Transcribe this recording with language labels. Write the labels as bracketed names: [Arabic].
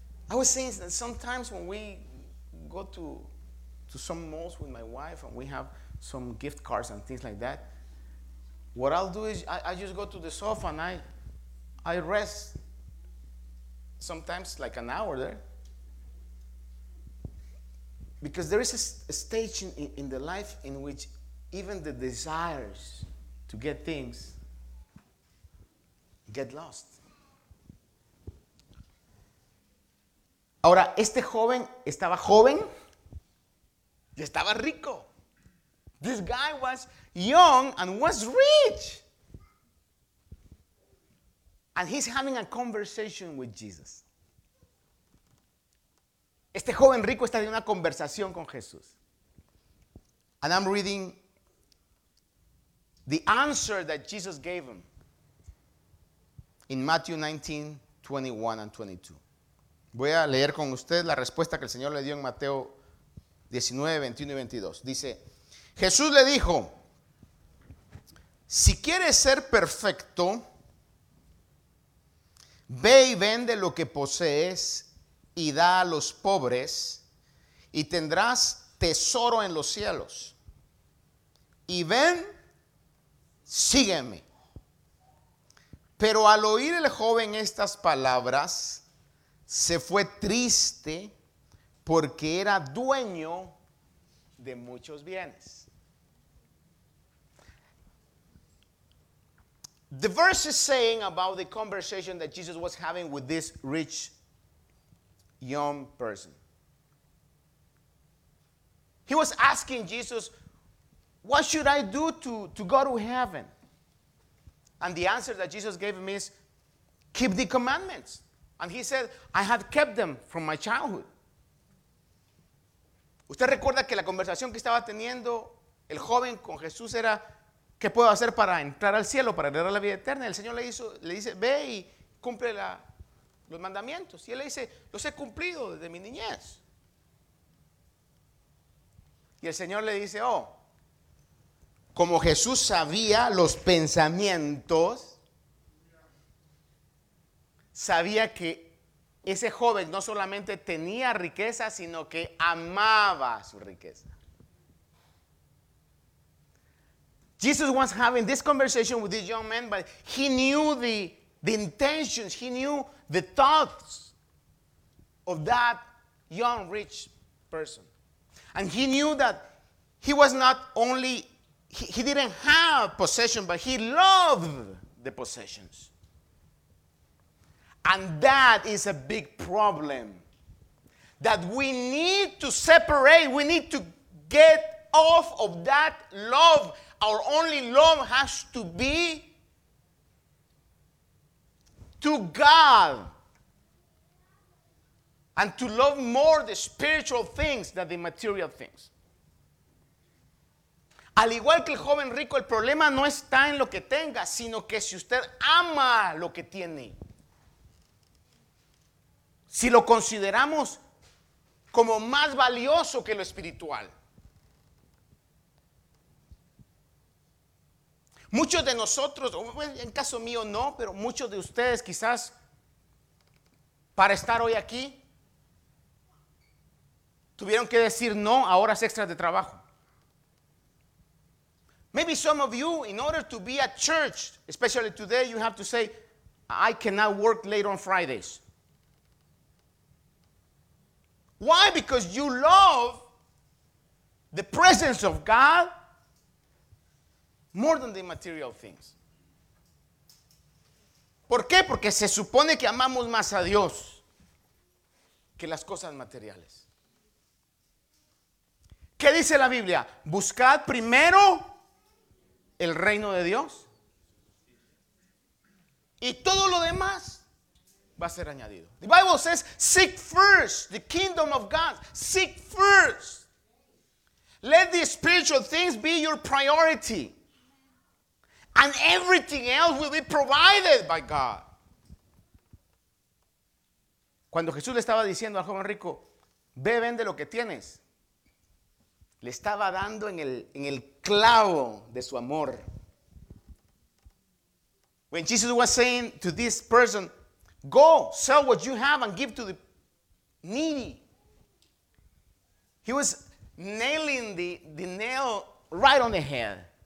[English] I was saying that sometimes when we go to some malls with my wife and we have some gift cards and things like that, what I'll do is I just go to the sofa and I rest sometimes like an hour there. Because there is a stage in the life in which even the desires to get things get lost. [Spanish] Ahora, este joven estaba joven y estaba rico. [English] This guy was young and was rich. And he's having a conversation with Jesus. [Spanish] Este joven rico está teniendo una conversación con Jesús. [English] And I'm reading the answer that Jesus gave him in Matthew 19, 21 and 22. [Spanish] Voy a leer con usted la respuesta que el Señor le dio en Mateo 19, 21 y 22. Dice, Jesús le dijo, si quieres ser perfecto, ve y vende lo que posees y da a los pobres y tendrás tesoro en los cielos. Y ven, sígueme. Pero al oír el joven estas palabras, se fue triste porque era dueño de muchos bienes. [English] The verse is saying about the conversation that Jesus was having with this rich young person. He was asking Jesus, what should I do to go to heaven? And the answer that Jesus gave him is, keep the commandments. And he said, I have kept them from my childhood. [Spanish] ¿Usted recuerda que la conversación que estaba teniendo el joven con Jesús era, ¿qué puedo hacer para entrar al cielo, para heredar la vida eterna? El Señor le dice, ve y cumple los mandamientos. Y él le dice, los he cumplido desde mi niñez. Y el Señor le dice, como Jesús sabía los pensamientos, sabía que Ese joven no solamente tenía riqueza, sino que amaba su riqueza. [English] Jesus was having this conversation with this young man, but he knew the intentions, he knew the thoughts of that young rich person. And he knew that he was not only, he didn't have possession, but he loved the possessions. And that is a big problem that we need to separate. We need to get off of that love. Our only love has to be to God and to love more the spiritual things than the material things. [Spanish] Al igual que el joven rico, el problema no está en lo que tenga, sino que si usted ama lo que tiene. Si lo consideramos como más valioso que lo espiritual. Muchos de nosotros, en caso mío no, pero muchos de ustedes quizás, para estar hoy aquí, tuvieron que decir no a horas extras de trabajo. [English] Maybe some of you, in order to be at church, especially today, you have to say, I cannot work later on Fridays. Why? Because you love the presence of God more than the material things. [Spanish] ¿Por qué? Porque se supone que amamos más a Dios que las cosas materiales. ¿Qué dice la Biblia? Buscad primero el reino de Dios y todo lo demás va a ser añadido. [English] The Bible says, seek first the kingdom of God. Seek first. Let the spiritual things be your priority. And everything else will be provided by God. [Spanish] Cuando Jesús le estaba diciendo al joven rico, ve, vende lo que tienes. Le estaba dando en el clavo de su amor. [English] When Jesus was saying to this person, go, sell what you have and give to the needy. He was nailing the nail right on the head.